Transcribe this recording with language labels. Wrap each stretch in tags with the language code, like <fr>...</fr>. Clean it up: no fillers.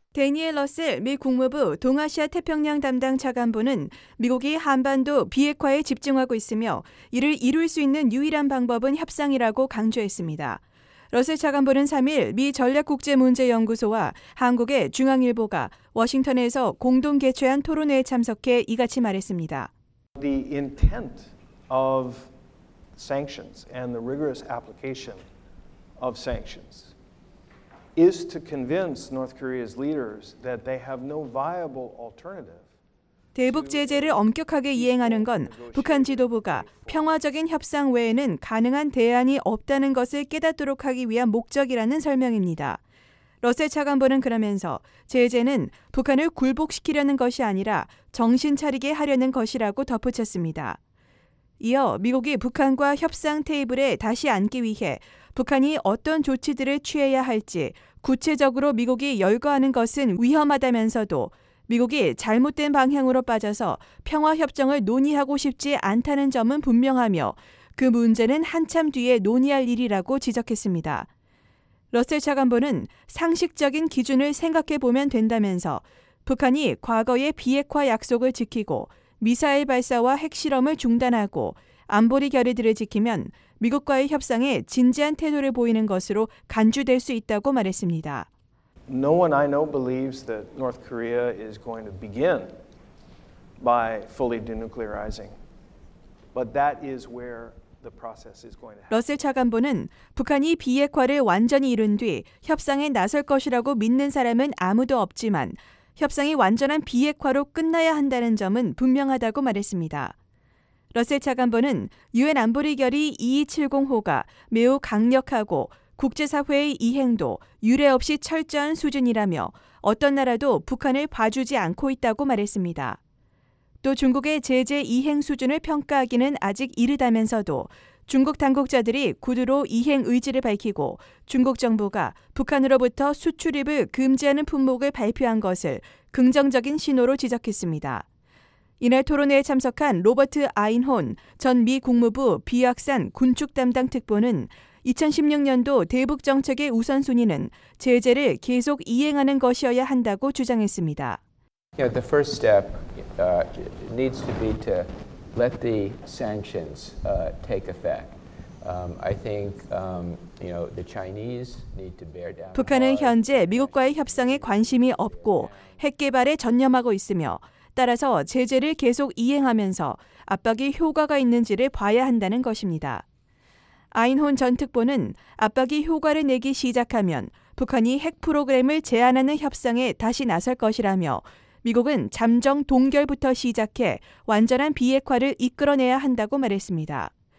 <ko>대니엘 러셀 미 국무부 동아시아 태평양 담당 차관보는 미국이 한반도 비핵화에 집중하고 있으며 이를 이룰 수 있는 유일한 방법은 협상이라고 강조했습니다. 러셀 차관보는 3일 미 전략국제문제연구소와 한국의 중앙일보가 워싱턴에서 공동 개최한 토론회에 참석해 이같이 말했습니다.</ko> <en>The intent of sanctions and the rigorous application of sanctions is to convince North Korea's leaders that they have no viable alternative.</en> <ko>대북 제재를 엄격하게 이행하는 건 북한 지도부가 평화적인 협상 외에는 가능한 대안이 없다는 것을 깨닫도록 하기 위한 목적이라는 설명입니다. 러셀 차관보는 그러면서 제재는 북한을 굴복시키려는 것이 아니라 정신 차리게 하려는 것이라고 덧붙였습니다. 이어 미국이 북한과 협상 테이블에 다시 앉기 위해 북한이 어떤 조치들을 취해야 할지 구체적으로 미국이 열거하는 것은 위험하다면서도 미국이 잘못된 방향으로 빠져서 평화협정을 논의하고 싶지 않다는 점은 분명하며 그 문제는 한참 뒤에 논의할 일이라고 지적했습니다. 러셀 차관보는 상식적인 기준을 생각해 보면 된다면서 북한이 과거의 비핵화 약속을 지키고 미사일 발사와 핵실험을 중단하고 안보리 결의들을 지키면 미국과의 협상에 진지한 태도를 보이는 것으로 간주될 수 있다고 말했습니다.</ko> <en>No one I know believes that North Korea is going to begin by fully denuclearizing. But that is where the process is going to happen.</en> <ko>러셀 차관보는 북한이 비핵화를 완전히 이룬 뒤 협상에 나설 것이라고 믿는 사람은 아무도 없지만 협상이 완전한 비핵화로 끝나야 한다는 점은 분명하다고 말했습니다. 러셀 차관보는 유엔 안보리 결의 2270호가 매우 강력하고 국제사회의 이행도 유례 없이 철저한 수준이라며 어떤 나라도 북한을 봐주지 않고 있다고 말했습니다. 또 중국의 제재 이행 수준을 평가하기는 아직 이르다면서도 중국 당국자들이 구두로 이행 의지를 밝히고 중국 정부가 북한으로부터 수출입을 금지하는 품목을 발표한 것을 긍정적인 신호로 지적했습니다. 이날 토론회에 참석한 로버트 아인혼 전 미 국무부 비확산 군축 담당 특보는 2016년도 대북 정책의 우선순위는 제재를 계속 이행하는 것이어야 한다고 주장했습니다.</ko> <en>You know, the first step needs to be to let the sanctions take effect. I think you know the Chinese need to bear down.</en> <ko>북한은 현재 미국과의 협상에 관심이 없고 핵 개발에 전념하고 있으며 따라서 제재를 계속 이행하면서 압박이 효과가 있는지를 봐야 한다는 것입니다. 아인혼 전 특보는 압박이 효과를 내기 시작하면 북한이 핵 프로그램을 제한하는 협상에 다시 나설 것이라며 미국은 잠정 동결부터 시작해 완전한 비핵화를 이끌어내야 한다고 말했습니다.</ko>